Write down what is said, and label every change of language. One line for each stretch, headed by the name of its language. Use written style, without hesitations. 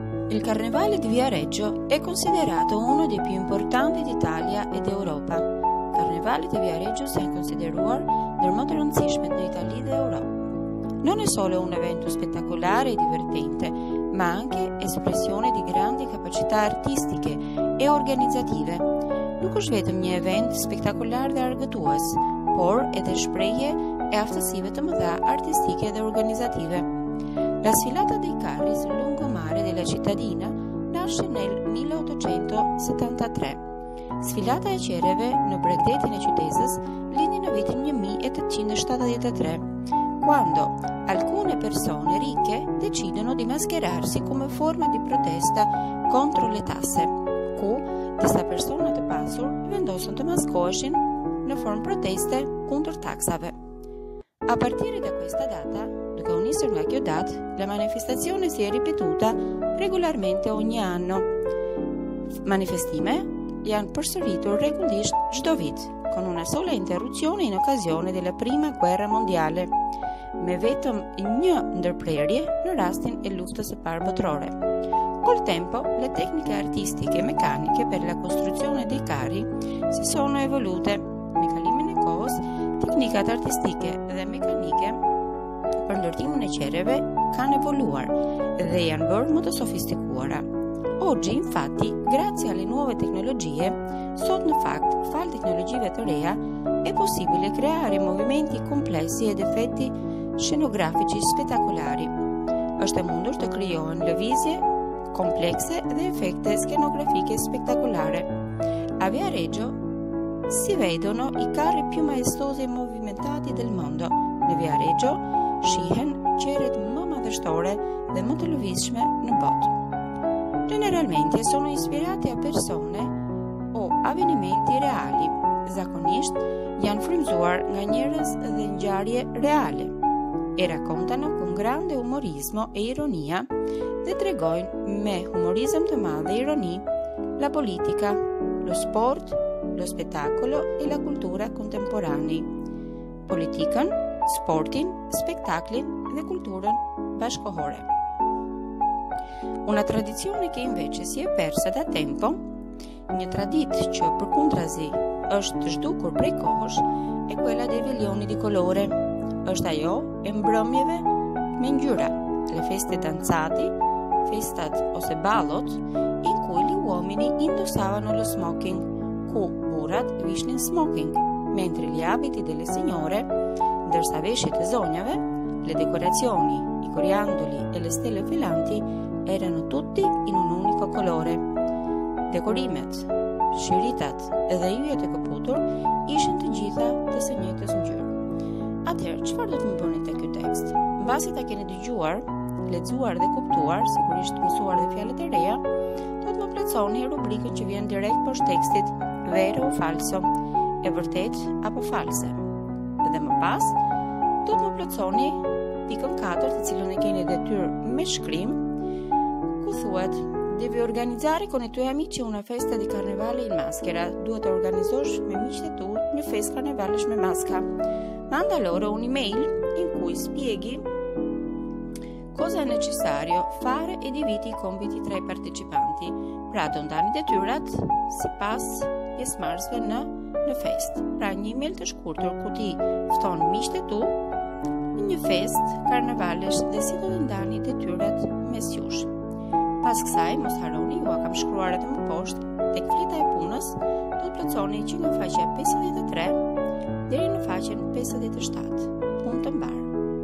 Italian: Il carnevale di Viareggio è considerato uno dei più importanti d'Italia ed Europa. Il carnevale di Viareggio si è considerato il più importante d'Italia ed Europa. Non è solo un evento spettacolare e divertente, ma anche espressione di grandi capacità artistiche e organizzative.
Albanian: Nuk është vetëm një event spektakular dhe argëtues, por edhe shprehje e aftësive të mëdha artistike dhe organizative.
Italian: La sfilata dei carri sul lungomare della cittadina nasce nel 1873.
Albanian: Sfilata e qereve në bregdetin e qytetit lindi në vitin 1873.
Italian: Quando alcune persone ricche decidono di mascherarsi come forma di protesta contro le tasse,
Albanian: ku disa persona të pasur vendosën të maskoheshin në formë proteste kundër taksave.
Italian: A partire da questa data,
Albanian: duke u nisur nga kjo datë,
Italian: la manifestazione si è ripetuta regolarmente ogni anno.
Albanian: Manifestime janë përsëritur rregullisht çdo vit,
Italian: con una sola interruzione in occasione della Prima Guerra Mondiale,
Albanian: me vetëm një ndërprerje në rastin e luftës së parë botërore.
Italian: Col tempo, le tecniche artistiche e meccaniche per la costruzione dei carri si sono evolute.
Albanian: Me kalimin e kohës, teknikat artistike dhe mekanike për ndërtimin e qereve kanë evoluar dhe janë bërë më të sofistikuara.
Italian: Oggi, infatti, grazie alle nuove tecnologie,
Albanian: sot në fakt, falë tecnologjive të reja,
Italian: è possibile creare movimenti complessi ed effetti scenografici spettacolari.
Albanian: Është mundur të krijohen lëvizje komplekse dhe efekte
Italian: scenografiche spettacolare. A Viareggio si vedono i carri più maestosi e movimentati del mondo.
Albanian: Në Viareggio shihen qeret më madhështore dhe më të lëvizshme në botë.
Italian: Generalmente sono ispirati a persone o avvenimenti reali.
Albanian: Zakonisht janë frymzuar nga njerëz dhe ngjarje reale.
Italian: E raccontano con grande umorismo e ironia
Albanian: dhe tregojnë me humorizëm të madhe ironi
Italian: la politica, lo sport, lo spettacolo e la cultura contemporanei.
Albanian: Politikën, sportin, spektaklin dhe kulturën bashkohore.
Italian: Una tradizione che invece si è persa da tempo,
Albanian: një traditë që përkundrazi është zhdukur prej kohësh,
Italian: e quella dei veglioni di colore.
Albanian: Është ajo e mbrëmjeve me ngjyra,
Italian: le feste danzati,
Albanian: festat ose balot,
Italian: in cui gli uomini indossavano lo smoking,
Albanian: ku burrat vishnin smoking,
Italian: mentre gli abiti delle signore,
Albanian: ndërsa veshjet e zonjave,
Italian: le decorazioni, i coriandoli e le stelle filanti erano tutti in un unico colore.
Albanian: Dekorimet, shiritat dhe yjet e këputur ishin të gjitha të së njëjtës ngjyrë. Atëherë, çfarë do të më bëni te ky tekst? Mbasi ta keni dëgjuar, lexuar dhe kuptuar, sigurisht mësuar dhe fjalët e reja, do të më plotësoni rubrikën që vjen direkt poshtë tekstit,
Italian: vero o falso,
Albanian: e vërtet apo false. Dhe më pas, do të më plotësoni pikën 4, të cilën e keni detyrë me shkrim, ku thuhet:
Italian: devi organizzare con i tuoi amici una festa di carnevale in maschera.
Albanian: Duhet të organizosh me miqët e tu një festë karnevalesh me maska.
Italian: Manda loro un'email in cui spieghi cosa è necessario fare e dividi i compiti tra i partecipanti.
Albanian: Pra do ndani detyrat si pas pjesëmarrësve në festë. Pra një email të shkurtur ku ti fton miqët e tu në një festë karnevalesh dhe si do të ndani detyrat mes jush. Pas kësaj, mos haroni, ju a kam shkruar edhe më poshtë, tek flita e punës, do të plotësoni që nga faqja 53 deri në faqen 57. Punë të mbarë.